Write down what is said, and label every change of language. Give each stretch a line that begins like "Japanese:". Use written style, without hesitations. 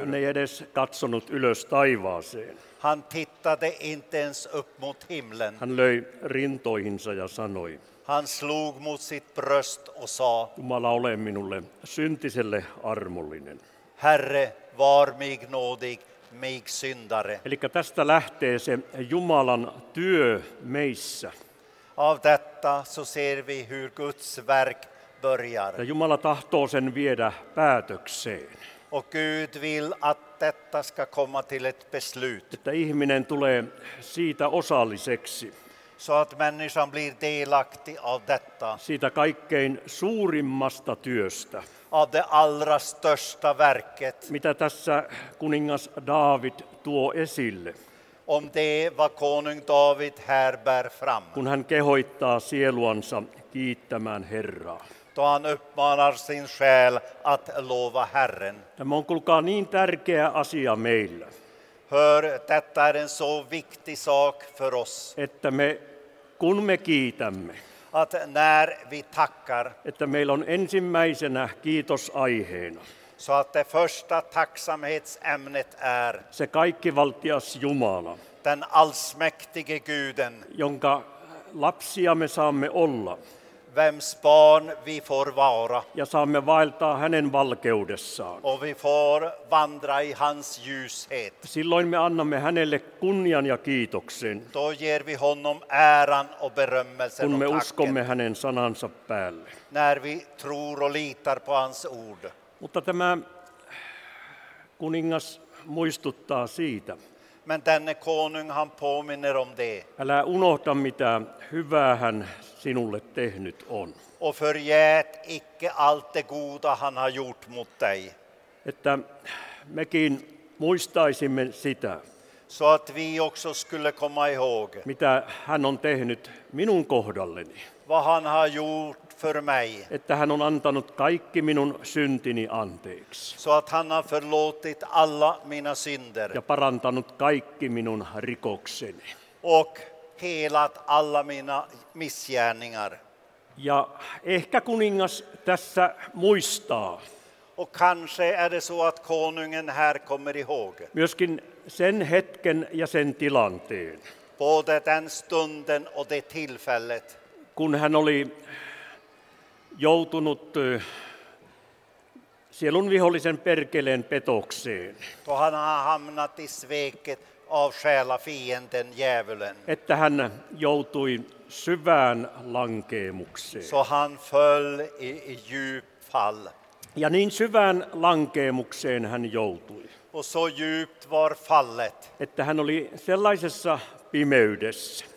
Finnish: Hän ei edes katsonut ylös taivaaseen.
Swedish: Han tittade inte ens upp mot himlen.
Finnish: Hän löi rintoihinsa ja sanoi.
Swedish: Han slog mot sitt bröst och sa.
Finnish: Jumala, ole minulle syntiselle armollinen.
Swedish: Herre, var mig nådig, mig syndare.
Finnish: Elikkä tästä lähtee se Jumalan työ meissä.
Swedish: Av detta så ser vi hur Guds verk börjar.
Finnish: Ja Jumala tahtoo sen viedä päätökseen.
Swedish: Och Gud vill att detta ska komma till ett beslut.
Finnish: Että ihminen tulee siitä osalliseksi.
Swedish: Så att människan blir delaktig av detta.
Finnish: Siitä kaikkein suurimmasta työstä.
Swedish: Av det allra största verket.
Finnish: Mitä tässä kuningas David tuo esille.
Swedish: Om det vad konung David här bär fram.
Finnish: Kun hän kehoittaa sieluansa kiittämään Herraa.
Swedish: Då han uppmanar sin själ att lova Herren.
Finnish: Tämä on kuulkaa niin tärkeä asia meillä.
Swedish: Hör, detta är en så viktig sak för oss.
Finnish: Että me, kun me kiitämme.
Swedish: Att när vi tackar.
Finnish: Että meillä on ensimmäisenä kiitosaiheena.
Swedish: Så att det första tacksamhetsämnet är.
Finnish: Se kaikkivaltias Jumala.
Swedish: Den allsmäktige Guden.
Finnish: Jonka lapsia me saamme olla.
Swedish: Vems barn vi får vara.
Finnish: Ja saamme vaeltaa hänen valkeudessaan.
Swedish: Och vi får vandra i hans ljushet.
Finnish: Silloin me annamme hänelle kunnian ja kiitoksen.
Swedish: Då ger vi honom äran och berömmelsen.
Finnish: Kun me uskomme hänen sanansa päälle.
Swedish: När vi tror och litar på hans ord.
Finnish: Mutta tämä kuningas muistuttaa siitä.
Swedish: Men denne konung han påminner om det.
Finnish: Älä unohda mitä hyvää hän sinulle tehnyt on.
Swedish: Och förgät icke allt det goda han har gjort mot dig.
Finnish: Että mekin muistaisimme sitä.
Swedish: Så att vi också skulle komma ihåg.
Finnish: Mitä hän on tehnyt minun kohdalleni.
Swedish: Vad han har gjort för mig.
Finnish: Että hän on antanut kaikki minun syntini anteeksi.
Swedish: Så att han har förlåtit alla mina synder.
Finnish: Ja parantanut kaikki minun rikokseni.
Swedish: Och helat alla mina missgärningar.
Finnish: Ja ehkä kuningas tässä muistaa.
Swedish: Och kanske är det så att konungen här kommer ihåg.
Finnish: Myöskin sen hetken ja sen tilanteen.
Swedish: Både den stunden och det tillfället.
Finnish: Kun hän oli joutunut sielun vihollisen perkeleen petokseen.
Swedish: Då han har hamnat i sveket. Av själa fienden djävulen.
Finnish: Että hän joutui syvään lankeemukseen.
Swedish: Så han föll i djup fall.
Finnish: Ja niin syvään lankeemukseen hän joutui.
Swedish: Och så djupt var fallet.
Finnish: Että hän oli sellaisessa pimeydessä.